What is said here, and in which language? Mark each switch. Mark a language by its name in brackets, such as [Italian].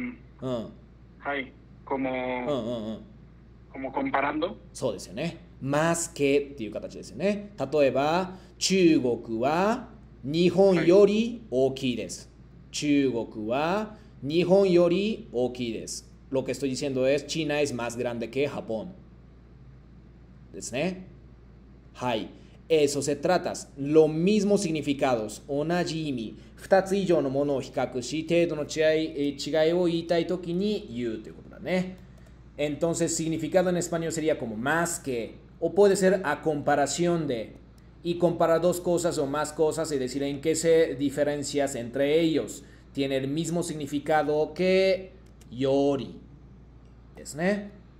[Spanish] はい、como comparando。 [Japanese] そうですよね。マスケっていう形ですよね。例えば、中国は日本より大きいです。中国は日本より大きいです。 [Spanish] Lo que estoy diciendo es China es más grande que Japón。 [Japanese] ですね。はい。 [Spanish] Eso se trata. Lo mismo significados. [Japanese] 同じ意味。 2つ以上のものを比較し、程度の違いを言いたいときに言うということだね。 [Spanish] Entonces, significado en español sería como más que, o puede ser a comparación de, y comparar dos cosas o más cosas y decir en qué se diferencias entre ellos. Tiene el mismo significado que Yori. ¿Es, ne?